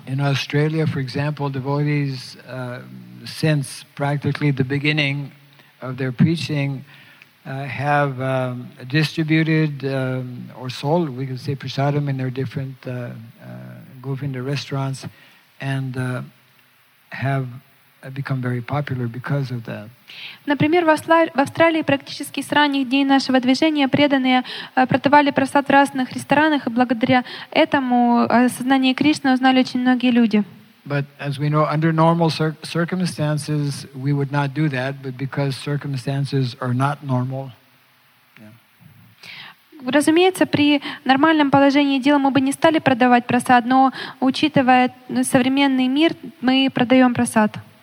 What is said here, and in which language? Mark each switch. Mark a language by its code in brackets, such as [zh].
[en] In Australia, for example, devotees since practically the beginning of their preaching have distributed or sold, we could say, prasadam in their different Govinda restaurants, and have become very popular because of that. [ru] Например, в Австралии практически с ранних дней нашего движения преданные продавали просад в разных ресторанах, и благодаря этому сознание Кришны узнали очень многие люди. [en] But as we know, under normal circumstances, we would not do that. But because circumstances are not normal, [ru] разумеется, при нормальном положении дела мы бы не стали продавать просад. Но учитывая современный мир, мы продаем просад.